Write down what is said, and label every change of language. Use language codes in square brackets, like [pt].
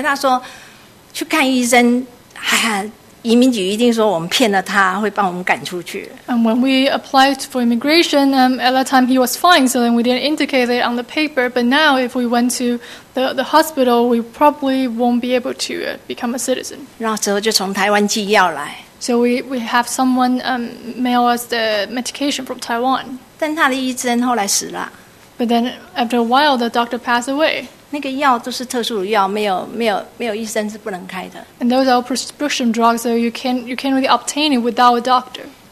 [zh] 因为我先生要来的时候，检查的时候也没有，那个时候他好好的啊，所以也没有说他有什么精神疾病，所以他说去看医生，哈哈。移民局一定说我们骗了他，会帮我们赶出去。And [en] when we applied for immigration, at that time he was fine, so then we didn't indicate it on the paper. But now, if we went to the hospital, we probably won't be able to become a citizen. [zh] 然后之后就从台湾寄药来。So [en] we have someone mail us the medication from Taiwan. [zh] 但他的医生后来死了。But [en] then after a while, the doctor passed away. [zh] 那个药都是特殊的药，没有医生是不能开的。 [en] And those are prescription drugs, so you can't really obtain it without a doctor.